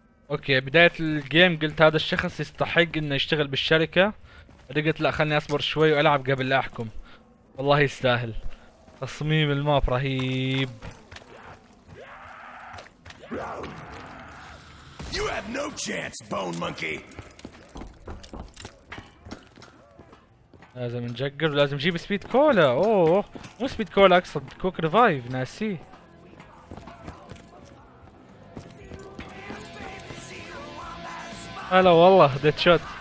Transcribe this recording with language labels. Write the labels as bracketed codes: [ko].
[ar] اوكي بداية الجيم قلت هذا الشخص يستحق انه يشتغل بالشركة، قلت لا خلني اصبر شوي والعب قبل لا احكم. والله يستاهل، تصميم الماب رهيب. [en] You have no chance, bone monkey. [ar] لازم نجقر ولازم نجيب سبيد كولا. اوه مو سبيد كولا اقصد كوك ريفايف، ناسي. هلا والله ديت شوت.